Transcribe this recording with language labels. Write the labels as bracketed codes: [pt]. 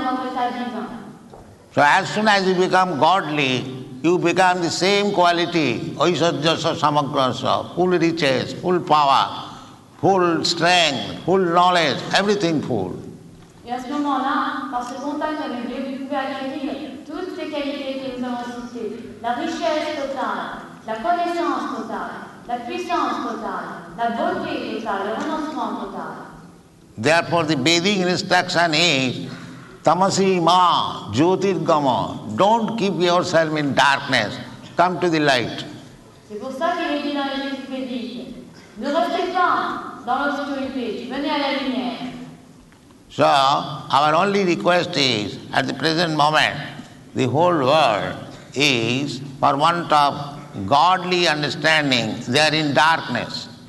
[en] So as soon as you become godly, you become the same quality, [sa] aishajyasa samagrasa, [en] full riches, full power, full strength, full knowledge, everything full. [fr] Et à ce moment-là, par ce contact avec Dieu, vous pouvez acquérir toutes les qualités que nous avons citées. La richesse totale, la connaissance totale, la puissance totale, la beauté totale, le renoncement totale. [en] Therefore, the basic instruction is, [sa] Tamasi Ma Jyotir Gama, [en] don't keep yourself in darkness, come to the light. [fr] C'est pour ça qu'il est dit dans les expédites, ne restez pas dans l'obscurité, venez à la lumière. [en] So, our only request is, at the present moment, the whole world is, for want of godly understanding, they are in darkness.